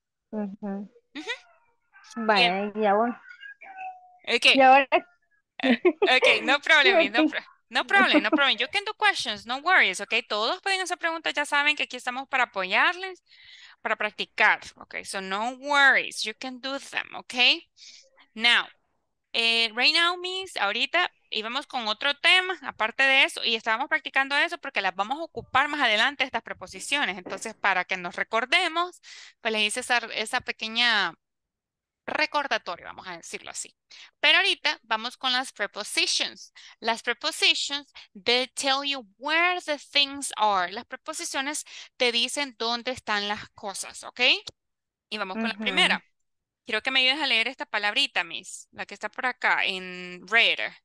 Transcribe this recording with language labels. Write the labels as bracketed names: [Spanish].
[Spanish] Vaya, uh-huh. Uh-huh. Ya voy. [English] Okay. [Spanish] Ya voy. [English] Okay, no problem, no problem. No problem, no problem. You can do questions, no worries, okay? [Spanish] Todos pueden hacer preguntas, ya saben que aquí estamos para apoyarles, para practicar, okay? [English] So no worries, you can do them, okay? Now, right now, [Spanish] Miss, ahorita íbamos con otro tema, aparte de eso, y estábamos practicando eso porque las vamos a ocupar más adelante estas preposiciones. Entonces, para que nos recordemos, pues les hice esa pequeña recordatorio, vamos a decirlo así. Pero ahorita vamos con las prepositions. [English] Las prepositions, they tell you where the things are. [Spanish] Las preposiciones te dicen dónde están las cosas, ¿ok? Y vamos con uh-huh. la primera. Quiero que me ayudes a leer esta palabrita, Miss, la que está por acá, en red.